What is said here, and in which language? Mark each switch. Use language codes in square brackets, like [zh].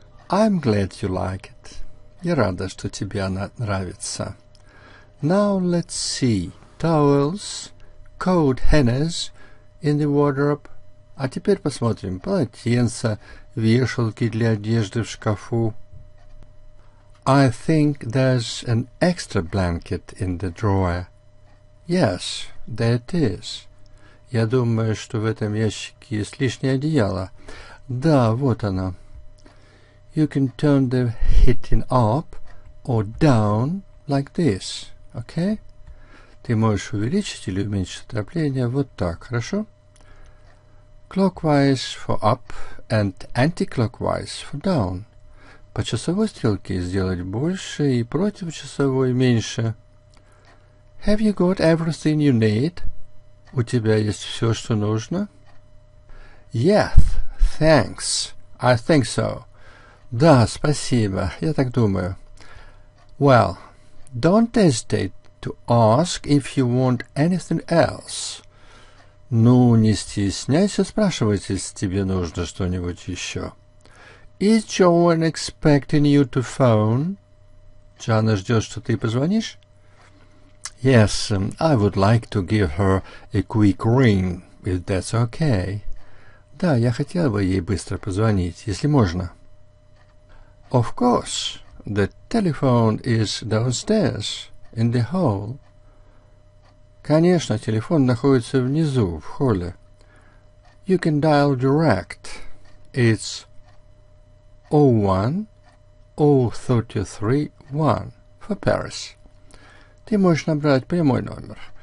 [en] I'm glad you like it. [ru] Я рада, что тебе она нравится. [en] Now let's see. Towels, coat hangers in the wardrobe. [ru] А теперь посмотрим. Полотенца, вешалки для одежды в шкафу. [en] I think there's an extra blanket in the drawer. Yes, there it is. [ru] Я думаю, что в этом ящике есть лишнее одеяло. Да, вот оно. [en] You can turn the heating up or down like this, okay? [ru] Ты можешь увеличить или уменьшить отопление вот так, хорошо? [en] Clockwise for up and anti-clockwise for down. [ru] По часовой стрелке сделать больше и против часовой меньше. [en] Have you got everything you need? [ru] У тебя есть все, что нужно? [en] Yes, thanks. I think so. [ru] Да, спасибо. Я так думаю. [en] Well, don't hesitate to ask if you want anything else. [ru] Ну, не стесняйся, спрашивайте, если тебе нужно что-нибудь еще. [en] Is Joan expecting you to phone? [ru] Джоанна ждет, что ты позвонишь? [en] Yes, I would like to give her a quick ring, if that's okay. [ru] Да, я хотел бы ей быстро позвонить, если можно. [en] Of course, the telephone is downstairs, in the hall. [ru] Конечно, телефон находится внизу, в холле. [en] You can dial direct. It's 01-033-1 for Paris. [ru] Ты можешь набрать прямой номер.